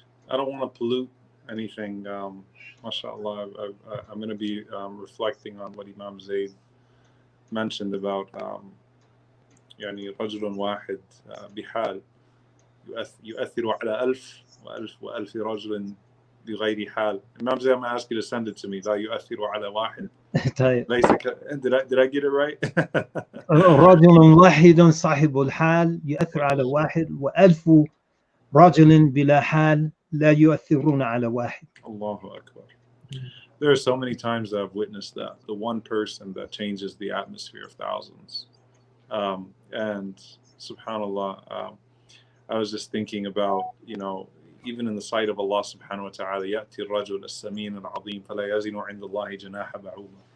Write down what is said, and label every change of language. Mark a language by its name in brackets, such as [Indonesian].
[English] I don't want to pollute anything. MashaAllah, I'm going to be reflecting on what Imam Zaid mentioned about [Arabic] يعني رجل واحد بحال يؤثر على ألف وألف وألف رجل بغير حال. [English] Imam Zaid, I'm going to ask you to send it to me. [Arabic] لا يؤثر على واحد. [English] Did I get it right? [Arabic] رجل واحد صاحب الحال يؤثر على واحد وألف رجل بلا حال لا يؤثرون على واحد. [English] Allahu Akbar. There are so many times that I've witnessed that, the one person that changes the atmosphere of thousands. And subhanAllah, I was just thinking about, you know, even in the sight of Allah subhanahu wa ta'ala, [Arabic] يأتي الرجل السمين العظيم فلا يزن عند الله جناح بعوضة.